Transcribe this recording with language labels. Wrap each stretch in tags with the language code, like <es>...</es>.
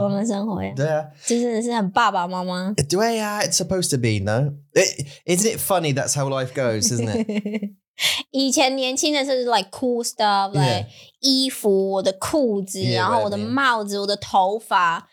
<zh>我们生活啊。对啊。这真的是很爸爸妈妈。</zh> <en>对啊, it's supposed to be, no? Isn't it funny that's how life goes, isn't it?</en> <zh>以前年轻的时候,</zh> <en>like cool stuff, like yeah.</en> <zh>衣服, 我的裤子, yeah, 然后我的帽子, 我的头发,</zh>